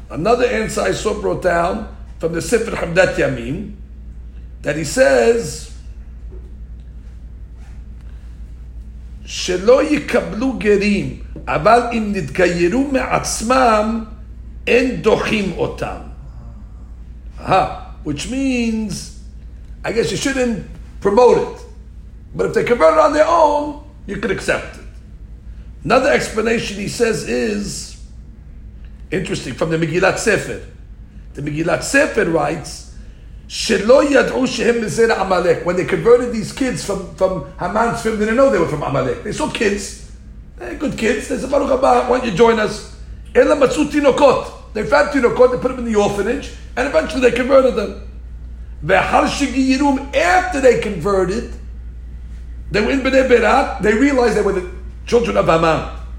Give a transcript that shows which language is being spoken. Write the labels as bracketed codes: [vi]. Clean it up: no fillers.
[en] Another answer I saw brought down from the Sefer Hamdat Yamin, that he says, [he] שלא יקבלו גרים, אבל אם נתגיירו מעצמם, אין דוחים אותם. [en] Which means, I guess you shouldn't promote it. But if they convert it on their own, you could accept it. Another explanation he says is, interesting, from the Megillat Sefer. The Megillat Sefer writes, [he] שלא ידעו שהם מזרע עמלק. [en] When they converted these kids from Haman's family, they didn't know they were from Amalek. They saw kids. They're good kids. They said, Baruch Abba, why don't you join us? [he] אלא מצאו תינוקות. [en] They found תינוקות, they put them in the orphanage, and eventually they converted them. [he] ואחר שגיירו, [en] after they converted, they were in B'nei Berak, they realized they were the children of Haman.